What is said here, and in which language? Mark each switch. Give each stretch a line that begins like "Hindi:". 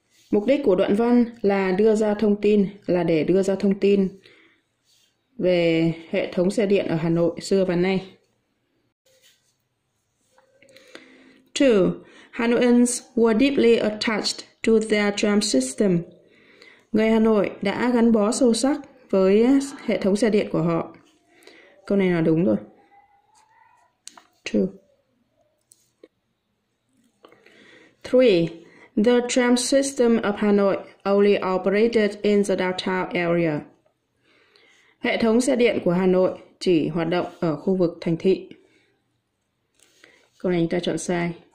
Vietnamese: Mục đích của đoạn văn là đưa ra thông tin, là để đưa ra thông tin về hệ thống xe điện ở Hà Nội xưa và nay.
English: 2. Hanoians were deeply attached to their tram system.
Vietnamese: Người Hà Nội đã gắn bó sâu sắc với hệ thống xe điện của họ. Câu này là đúng rồi.
English: 2. 3. The tram system of Hanoi only operated in the downtown area.
Vietnamese: Hệ thống xe điện của Hà Nội chỉ hoạt động ở khu vực thành thị. Câu này chúng ta chọn sai.